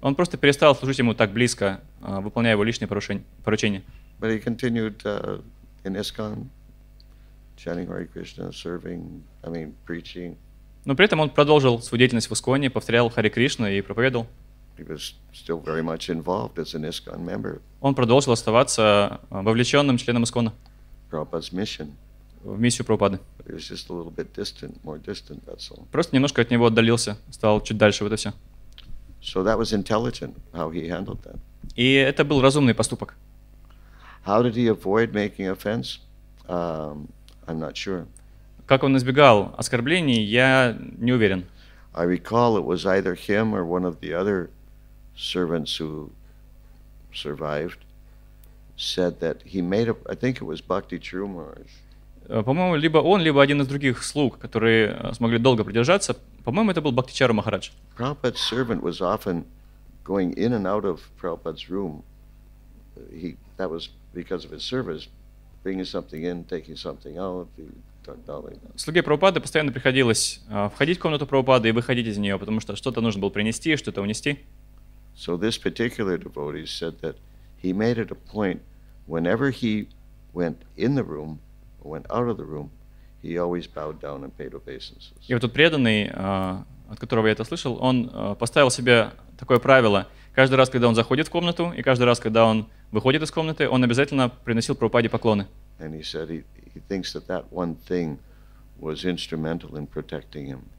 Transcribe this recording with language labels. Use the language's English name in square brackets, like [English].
[Russian] Он просто перестал служить ему так близко, выполняя его личные поручения. [English] But he continued in ISKCON, chanting Hare Krishna, serving, preaching. [Russian] Но при этом он продолжил свою деятельность в ИСКОНе, повторял Харе Кришну и проповедовал. [English] He was still very much involved as an ISKCON member. [Russian] Он продолжил оставаться вовлеченным членом ИСКОНа. [English] Prabhupada's mission. [Russian] В миссию Прабхупады. [English] He was just a little bit distant, more distant, that's all. [Russian] Просто немножко от него отдалился, стал чуть дальше, вот и все. [English] So that was intelligent, how he handled that. [Russian] И это был разумный поступок. [English] How did he avoid making offense? I'm not sure. [Russian] Как он избегал оскорблений, я не уверен. [English] I recall it was either him or one of the other servants who survived said that he made a, I think it was Bhakti Chirumaraj. [Russian] По-моему, либо он, либо один из других слуг, которые смогли долго продержаться, по-моему, это был Бхакти Чару Махарадж. [English] Prabhupada's servant was often going in and out of Prabhupada's room. That was because of his service, bringing something in, taking something out. [Russian] Слуге Прабхупады постоянно приходилось входить в комнату Прабхупады и выходить из нее, потому что что-то нужно было принести, что-то унести. [English] So this particular devotee said that he made it a point whenever he went in the room or went out of the room, he always bowed down and paid obeisances. [Russian] И вот тот преданный, от которого я это слышал, он поставил себе такое правило. Каждый раз, когда он заходит в комнату, и каждый раз, когда он выходит из комнаты, он обязательно приносил Прабхупаде поклоны. [English] And he said he thinks that that one thing was instrumental in protecting him.